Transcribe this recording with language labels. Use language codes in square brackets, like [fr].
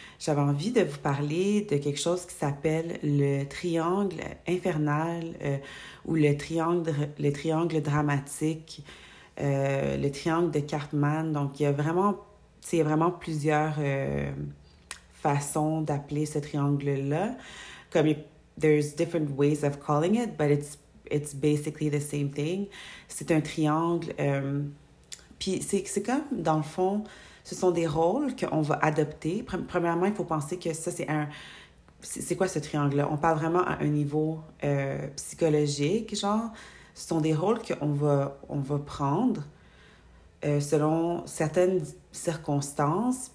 [fr] j'avais envie de vous parler de quelque chose qui s'appelle le triangle infernal ou le triangle dramatique, le triangle de Cartman. Donc, il y a vraiment plusieurs façons d'appeler ce triangle-là. [en] Comme, there's different ways of calling it, but it's basically the same thing. [fr] C'est un triangle. Puis, c'est comme, dans le fond, ce sont des rôles qu'on va adopter. Premièrement, il faut penser que ça, c'est un... C'est quoi ce triangle-là? On parle vraiment à un niveau psychologique, genre. Ce sont des rôles qu'on va prendre selon certaines circonstances.